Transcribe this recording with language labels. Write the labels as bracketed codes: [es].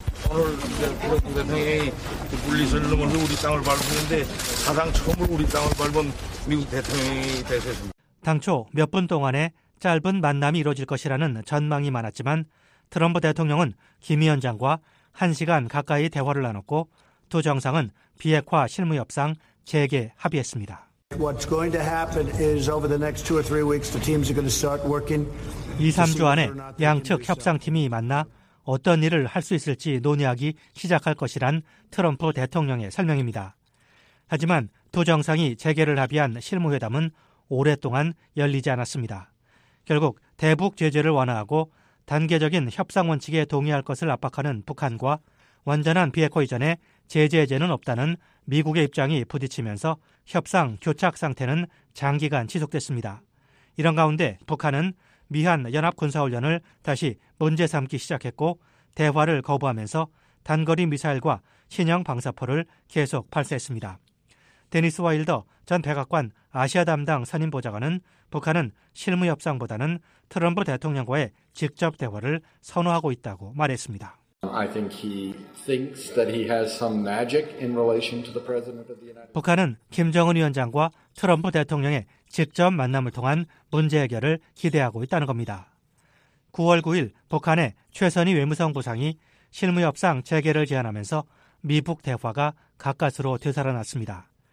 [ko] 오늘 트럼프 대통령이 물리설명을 우리 땅을 밟았는데 사상 처음으로 우리 땅을 밟은 미국 대통령이 되셨습니다. 당초 몇 분 동안의 짧은 만남이 이루어질 것이라는 전망이 많았지만 트럼프 대통령은 김 위원장과 1시간 가까이 대화를 나눴고 두 정상은 비핵화 실무협상 재개 합의했습니다. [en] What's going to happen is over the next 2 or 3 weeks the teams are going to start working. [ko] 2-3주 안에 양측 협상팀이 만나 어떤 일을 할 수 있을지 논의하기 시작할 것이란 트럼프 대통령의 설명입니다. 하지만 두 정상이 재개를 합의한 실무회담은 오랫동안 열리지 않았습니다. 결국 대북 제재를 완화하고 단계적인 협상 원칙에 동의할 것을 압박하는 북한과 완전한 비핵화 이전에 제재 해제는 없다는 미국의 입장이 부딪히면서 협상 교착 상태는 장기간 지속됐습니다. 이런 가운데 북한은 미한 연합군사훈련을 다시 문제 삼기 시작했고 대화를 거부하면서 단거리 미사일과 신형 방사포를 계속 발사했습니다. 데니스 와일더 전 백악관 아시아 담당 선임보좌관은 북한은 실무협상보다는 트럼프 대통령과의 직접 대화를 선호하고 있다고 말했습니다. [en] I think he thinks that he has some magic in relation to the president of the United States. [ko] 북한은 김정은 위원장과 트럼프 대통령의 직접 만남을 통한 문제 해결을 기대하고 있다는 겁니다. 9월 9일 북한의 최선희 외무성 부상이 실무협상 재개를 제안하면서 미북 대화가 가까스로 되살아났습니다.